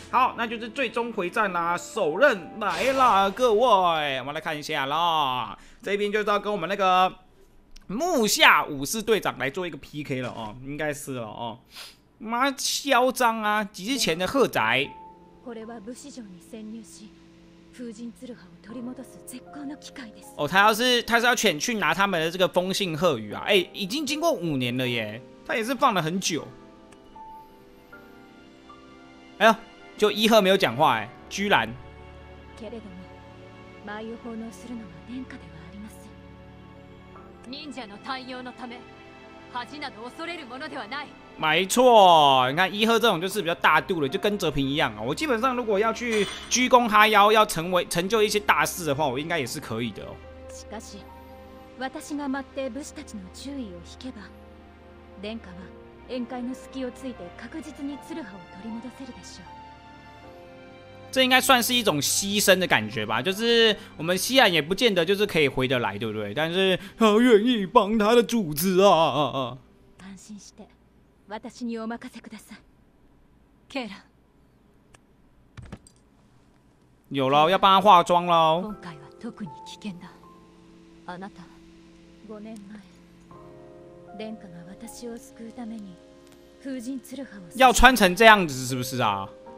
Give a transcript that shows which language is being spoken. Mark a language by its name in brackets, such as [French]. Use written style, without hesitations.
[Chinese] 好，那就是最终回战啦，首刃来啦各位，我们来看一下啦，这边就是要跟我们那个木下武士队长来做一个 PK 了哦，应该是了哦，妈嚣张啊，几日前的贺宅。 [Japanese] これは武士城に潜入し封神鶴葉を取り戻す絶好の機会です。 [Chinese] 哦，他是要潜去拿他们的这个封信贺语啊！哎，已经经过五年了耶，他也是放了很久。哎呀，就伊贺没有讲话哎，居然。 [Japanese] けれども、舞を奉納するのは殿下ではありません。忍者の対応のため、恥など恐れるものではない。 [Chinese] 没错，你看伊贺这种就是比较大度的，就跟泽平一样啊。我基本上如果要去鞠躬哈腰，要成就一些大事的话，我应该也是可以的哦。 [Japanese] しかし、私が待って武士たちの注意を引けば、殿下は宴会の隙をついて確実に鶴葉を取り戻せるでしょう。 [Chinese] 这应该算是一种牺牲的感觉吧，就是我们西岸也不见得就是可以回得来，对不对？但是他愿意帮他的主子啊。 [Japanese] 安心して。私にお任せください。ケラ。 [Chinese] 有了，要帮他化妆了。 [Japanese] 今回は特に危険だ。あなた、5年前、殿下が私を救うために封神鶴葉を。 [Chinese] 要穿成这样子是不是啊？